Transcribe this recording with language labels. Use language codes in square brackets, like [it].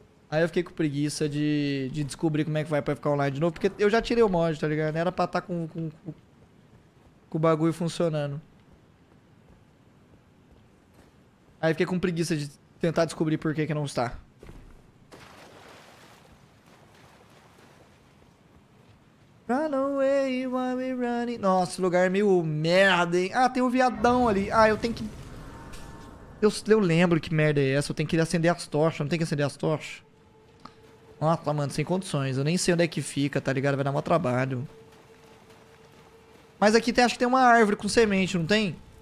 [pt] Aí eu fiquei com preguiça de descobrir como é que vai pra ficar online de novo. Porque eu já tirei o mod, tá ligado? Era pra estar com o bagulho funcionando. Aí eu fiquei com preguiça de tentar descobrir por que não está. [en] Run away while we're running. [pt] Nossa, lugar meio merda, hein? Ah, tem um viadão ali. Ah, eu tenho que... Eu lembro que merda é essa. Eu tenho que acender as tochas. Eu não tenho que acender as tochas. Nossa, mano, sem condições. Eu nem sei onde é que fica, tá ligado? Vai dar mó trabalho. Mas aqui tem, acho que tem uma árvore com semente, não tem?